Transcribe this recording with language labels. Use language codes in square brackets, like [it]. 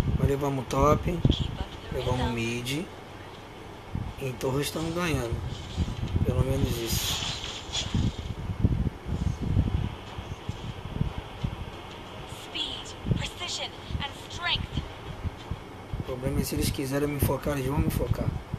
[pt] Levamos top, levamos mid, em torre estamos ganhando, pelo menos isso. [en] Speed, precision, and strength. [pt] O problema é se eles quiserem me focar, eles vão me focar.